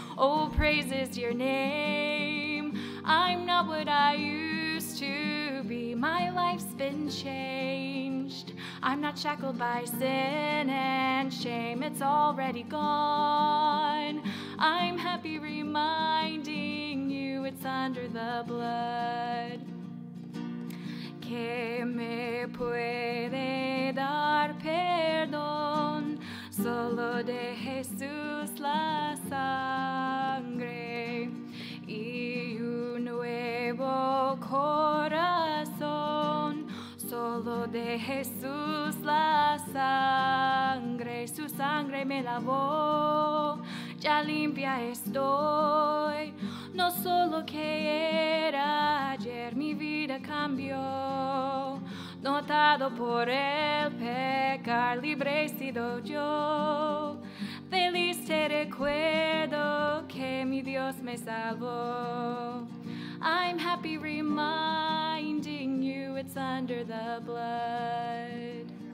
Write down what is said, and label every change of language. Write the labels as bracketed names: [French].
[English] Oh, praises your name. I'm not what I used to be. My life's been changed. I'm not shackled by sin and shame. It's already gone. I'm happy reminding you it's under the blood. [Spanish] Que me puede dar perdón, solo de Jesús la sangre y un nuevo corazón, solo de Jesús la sangre, su sangre me lavó, ya limpia estoy. No solo que era ayer, mi vida cambió. No atado por el pecar, libre he sido yo. Feliz te recuerdo que mi Dios Dios me salvó. [English] I'm happy reminding you it's under the blood.